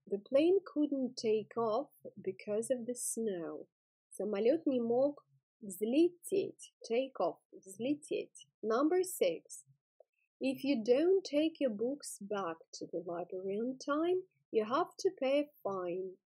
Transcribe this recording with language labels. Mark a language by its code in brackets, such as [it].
[en] The plane couldn't take off because of the snow. [ru] Самолет не мог взлететь. [en] Take off, взлететь. Number six. If you don't take your books back to the library on time, you have to pay a fine.